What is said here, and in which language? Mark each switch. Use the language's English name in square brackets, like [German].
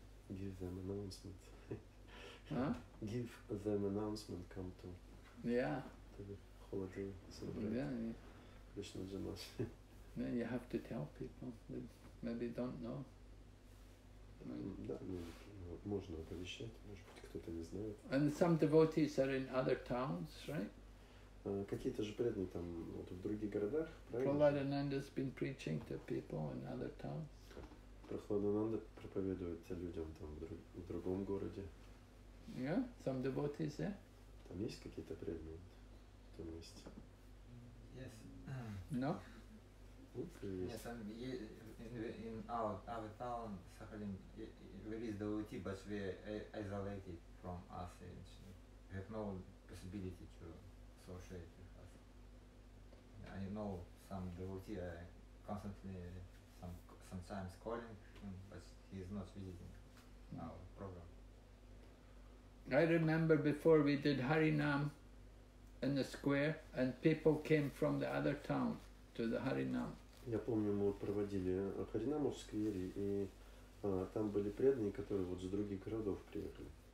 [English] Give them announcement. Huh? Give them announcement. Come to. Yeah. To the holiday celebration. Yeah. Yeah. Krishna Jamas. Then you have to tell people that maybe don't know. [Russian] Да, можно оповещать, может быть, кто-то не знает. [English] And some devotees are in other towns, right? [Russian] Какие-то же преданные там вот в других городах, правильно? [English] Prahladananda has been preaching to people in other towns. [Russian] Прохладананда проповедует людям там в другом городе. [English] Yeah, some devotees there. [Russian] Там есть какие-то преданные в том месте? [English] Yes. No? Yes, and in our town, Sakhalin, there is devotee, but we are isolated from us. We have no possibility to associate with us. I know some devotee, I constantly, sometimes calling him, but he is not visiting our program. I remember before we did Harinam in the square, and people came from the other town to the Harinam. [Russian] Я помню, мы проводили Харинаму в сквере, и там были преданные, которые вот с других городов приехали.